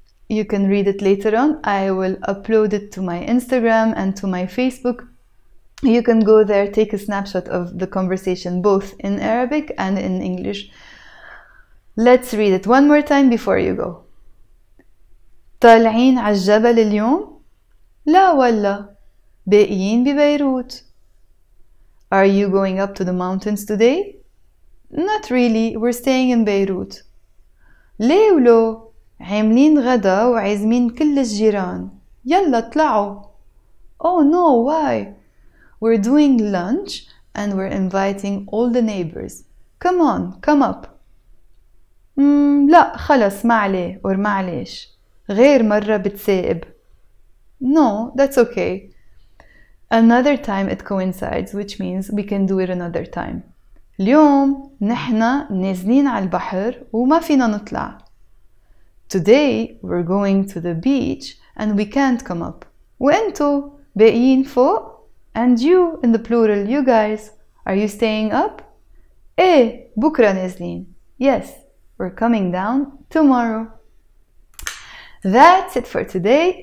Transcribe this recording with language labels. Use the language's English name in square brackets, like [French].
[English] You can read it later on. I will upload it to my Instagram and to my Facebook. You can go there, take a snapshot of the conversation, both in Arabic and in English. Let's read it one more time before you go. [Arabic] طالعين على الجبل اليوم؟ لا والله. باقيين ببيروت. [English] Are you going up to the mountains today? Not really. We're staying in Beirut. [Arabic] ليه ولو؟ عاملين غدا وعزمين كل الجيران. يلا طلعوا. [English] Oh no, why? We're doing lunch and we're inviting all the neighbors. Come on, come up. [Arabic] لا خلص ما عليه or ما عليش. غير مرة بتسائب. [English] No, that's okay. Another time it coincides, which means we can do it another time. [Arabic] اليوم نحنا نازلين على البحر وما فينا نطلع. [English] Today we're going to the beach and we can't come up. [Arabic] وانتو باقيين فوق, [English] and you in the plural, you guys, are you staying up? [Arabic] ايه بكرة نازلين. [English] Yes, we're coming down tomorrow. That's it for today.